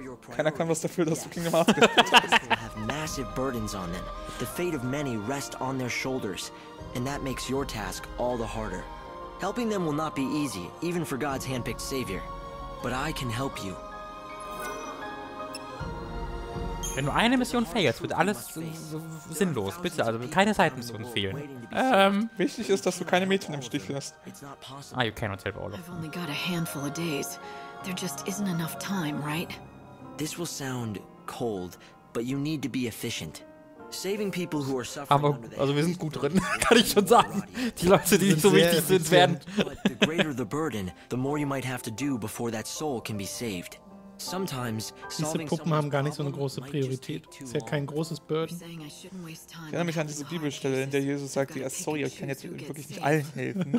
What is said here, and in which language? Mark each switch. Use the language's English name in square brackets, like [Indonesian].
[German] Keiner kann was dafür, dass du Kingdom Hearts gespielt hast. [English] They have massive burdens on them. The fate of many rest on their shoulders, and that makes your task all the harder. Helping them will not be easy, even for God's handpicked savior. But I can help you. [German] Wenn nur eine Mission fehlt, wird alles sinnlos. Bitte, also keine Seitenmission fehlen. Wichtig ist, dass du keine Mädchen im Stich lässt. [English] Ah, you cannot help all of them. There just isn't enough time, right? This will sound cold, but you need to be efficient. Saving people who are suffering. [German] Aber, also wir sind gut drin, kann ich schon sagen. Die Leute, die nicht so wichtig sind, werden. [English] But the greater the burden, the more you might have to do before that soul can be saved. Sometimes [German] diese Puppen haben gar nicht so eine große Priorität. Es ist ja kein großes Burden. Ich erinnere mich an diese Bibelstelle, in der Jesus sagt, ja, sorry, ich kann jetzt wirklich nicht allen helfen.